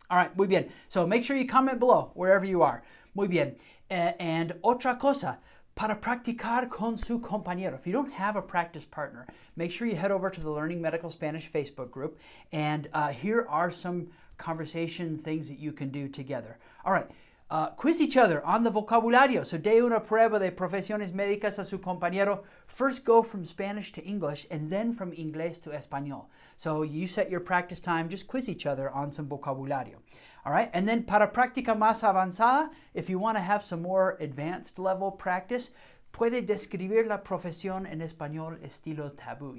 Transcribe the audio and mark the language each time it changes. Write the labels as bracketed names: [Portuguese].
[English] All right, [Spanish] muy bien. [English] So make sure you comment below wherever you are. [Spanish] Muy bien. [English] And [Spanish] otra cosa, para practicar con su compañero. [English] If you don't have a practice partner, make sure you head over to the Learning Medical Spanish Facebook group. And here are some conversation things that you can do together. All right. Quiz each other on the vocabulario. So, [Spanish] de una prueba de profesiones médicas a su compañero. [English] First, go from Spanish to English and then from English to Español. So, you set your practice time, just quiz each other on some vocabulario. All right, and then [Spanish] para práctica más avanzada, [English] if you want to have some more advanced level practice, [Spanish] puede describir la profesión en español estilo tabú.